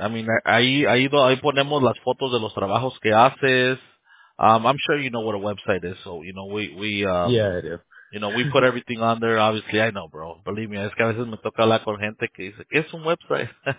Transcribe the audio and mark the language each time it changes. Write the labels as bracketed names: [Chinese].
[English] I mean, [Spanish] ahí ponemos las fotos de los trabajos que haces. [English] I'm sure you know what a website is, so you know we you know we put everything on there. Obviously, I know, bro. Believe me, [Spanish] es que a veces me toca hablar con gente que dice ¿qué es un website?